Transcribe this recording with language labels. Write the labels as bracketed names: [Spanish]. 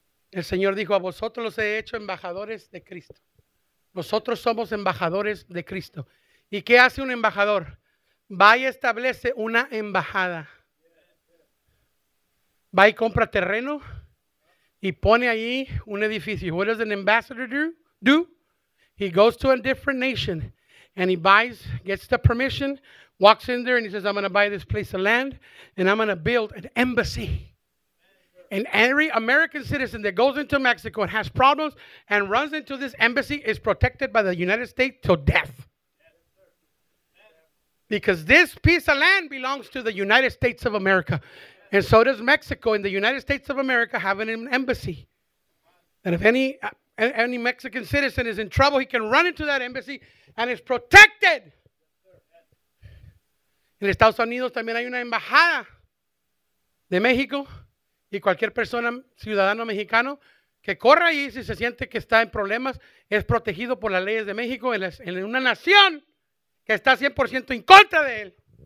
[Spanish] El Señor dijo, a vosotros los he hecho embajadores de Cristo. Nosotros somos embajadores de Cristo. ¿Y qué hace un embajador? Va y establece una embajada. Va y compra terreno y pone ahí un edificio. [English] What does an ambassador do? He goes to a different nation and he buys, gets the permission, walks in there and he says, I'm going to buy this place of land and I'm going to build an embassy. And every American citizen that goes into Mexico and has problems and runs into this embassy is protected by the United States till death. Because this piece of land belongs to the United States of America. And so does Mexico and the United States of America have an embassy. And if any Mexican citizen is in trouble, he can run into that embassy and is protected. [Spanish] En Estados Unidos también hay una embajada de México y cualquier persona, ciudadano mexicano, que corra ahí si se siente que está en problemas, es protegido por las leyes de México en una nación que está 100% en contra de él.